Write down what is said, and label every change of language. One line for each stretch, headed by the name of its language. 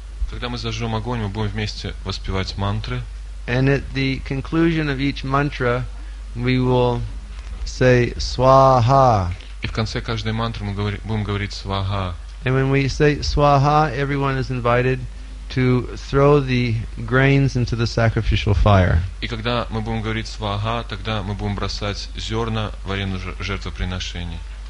Russian: Когда мы зажжем огонь, мы будем вместе воспевать мантры.
English: And at the conclusion of each mantra, we will say swaha.
Russian: И в конце каждой мантры мы будем говорить свага.
English: And when we say swaha, everyone is invited to throw the grains into the sacrificial fire.
Russian: И когда мы будем говорить свага, тогда мы будем бросать зерна в арену жертвоприношений.